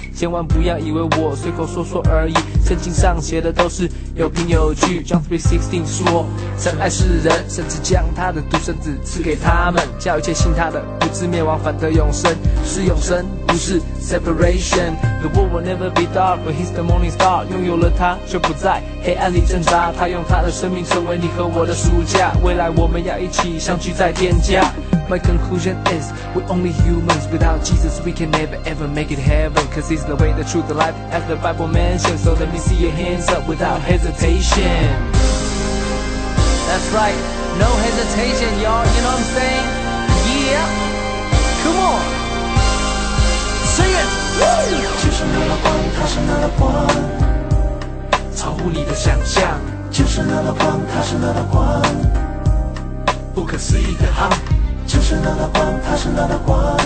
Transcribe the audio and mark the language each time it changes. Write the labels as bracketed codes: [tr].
[zh] 千万不要以为我随口说说而已，圣经上写的都是有凭有据。 John 3:16 说神爱世人，甚至将他的独生子赐给他们，叫一切信他的不至灭亡，反得永生。是永生，不是 separation。 [en] The world will never be dark, but he's the morning star。 [zh] 拥有了他却不在黑暗里挣扎，他用他的生命成为你和我的暑假。未来我们要一起相聚在天家。 [en] My conclusion is we're only humans, without Jesus we can never ever make it heaven, cause he's the way, the truth, the life, as the Bible mentions. So let me see your hands up without hesitation. That's right, no hesitation, y'all, you know what I'm saying? Yeah, come on, sing it. [zh] 就是那道光，它是那道光，超乎你的想象。就是那道光，它是那道光，不可思议的好。就是那道光，它是那道光，